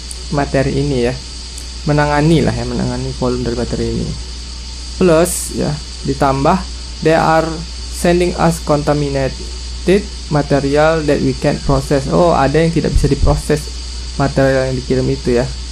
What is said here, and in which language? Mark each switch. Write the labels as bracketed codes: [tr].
[id] Materi ini ya, menangani lah ya, menangani volume dari materi ini. Plus ya, ditambah [en] they are sending us contaminated material that we can't process. [id] Oh, ada yang tidak bisa diproses material yang dikirim itu ya.